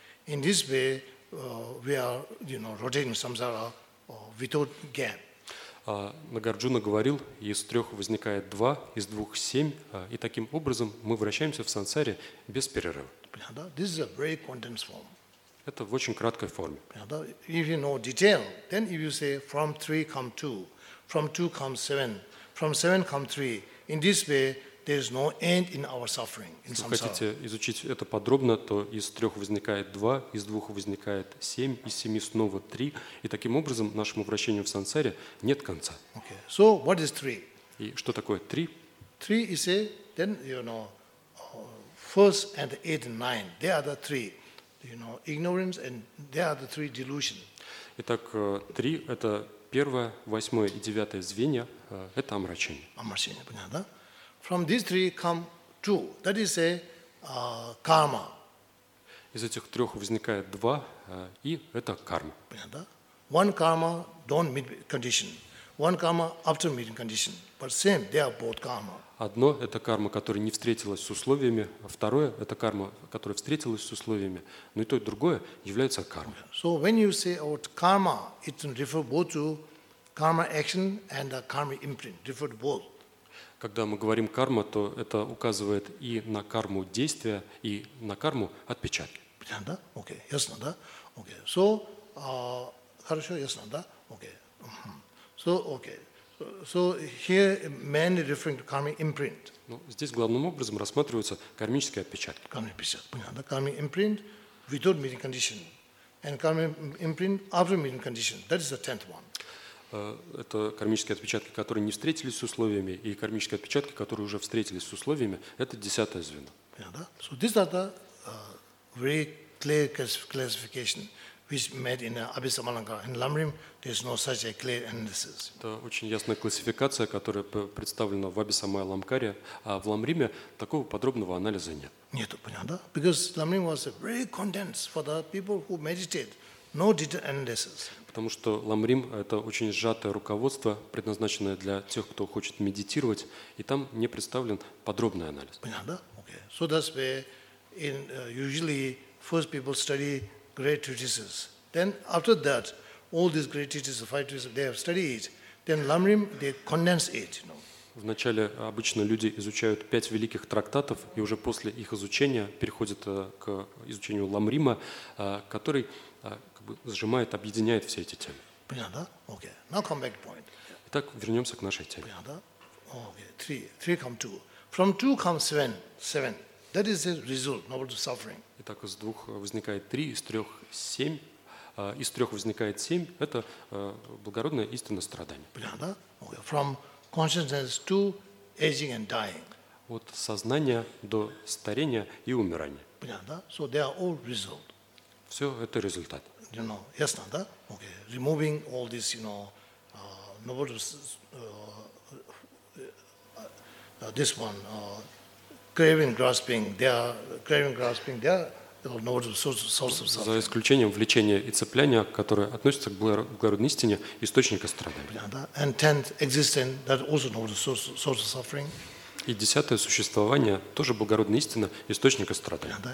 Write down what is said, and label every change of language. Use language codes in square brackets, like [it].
[en] In this way, we are, you know, rotating samsara without gap. [ru] Nagarjuna говорил, из трех возникает два, из двух семь, и таким образом мы вращаемся в сансаре без перерыва. [en] This is a very condensed form. [ru] Это в очень краткой форме. [en] If you know detail, then if you say from three come two, from two come seven, from seven come three. In this way, there is no end in our suffering. In [ru] если вы хотите изучить это подробно, то из трех возникает два, из двух возникает семь, из семи снова три, и таким образом нашему вращению в сансаре нет конца. [en] Okay. So what is three? [ru] И что такое три? [en] Three is a then you know first and eight and nine. They are the three, you know, ignorance and they are the three delusion. [ru] Итак, три это первое, восьмое и девятое звенья – это омрачение. Омрачение, понятно, да? [en] From these three come two. That is a karma. [ru] Из этих трех возникает два, и это карма. Понятно, да? [en] One karma don't meet condition. One karma after meeting condition, but same, they are both karma. [ru] Одно – это карма, которая не встретилась с условиями, а второе – это карма, которая встретилась с условиями, но и то, и другое является кармой. [en] So when you say about karma, it refers both to karma action and the karma imprint, refers to both. [ru] Когда мы говорим карма, то это указывает и на карму действия, и на карму отпечатки. Понятно, да? Окей, ясно, да? Окей, [en] so, [ru] хорошо, ясно, да? Окей, [en] so, okay. So here mainly referring to karmic imprint. [ru] Ну, здесь главным образом рассматриваются кармические отпечатки. [en] Karmic imprint, [ru] понятно, да? [en] Karmic imprint without meeting condition. And karmic imprint after meeting condition. That is the tenth one. [ru] Это кармические отпечатки, которые не встретились с условиями, и кармические отпечатки, которые уже встретились с условиями, это десятое звено. Понятно, да? [en] So these are the very clear classification. Which made in Abhisamalanka in Lamrim, there is no such a clear analysis. [ru] Это очень ясная классификация, которая представлена в Абхисамайя-Ламкаре, а в Ламриме такого подробного анализа нет. Нету, понятно? [en] Because Lamrim was very condensed for the people who meditate, no detailed analysis. [ru] Потому что Ламрим это очень сжатое руководство, предназначенное для тех, кто хочет медитировать, и там не представлен подробный анализ. Понятно? [en] Okay. So that's where in usually first people study. Great treatises. Then after that, all these great treatises, five treatises, they have studied. Then Lamrim, they condense it. You know. [ru] Вначале обычно люди изучают пять великих трактатов, и уже после их изучения переходят к изучению Ламрима, который как бы сжимает, объединяет все эти темы. Понятно, да? [en] Okay. Now come back to point. [ru] Итак, вернемся к нашей теме. Понятно, да? [en] Okay. Three come two. From two comes seven. Seven. That is the result, not the suffering. [ru] Итак, из двух возникает три, из трех семь. Из трех возникает семь. Это благородная истина страдания. Понятно, да? [en] Okay. From consciousness to aging and dying. [ru] От сознания до старения и умирания. Понятно, да? [en] So they are all result. [ru] Все это результат. [en] You know, [ru] ясно, да? [en] Okay. Removing all this, you know, not this one. Craving, grasping, they are not the source of suffering. [ru] За исключением влечения и цепляния, которые относятся к благородной истине, источника страдания. [en] And tenth existence, that also not the source of suffering. И десятое существование, тоже благородная истина, источника страдания.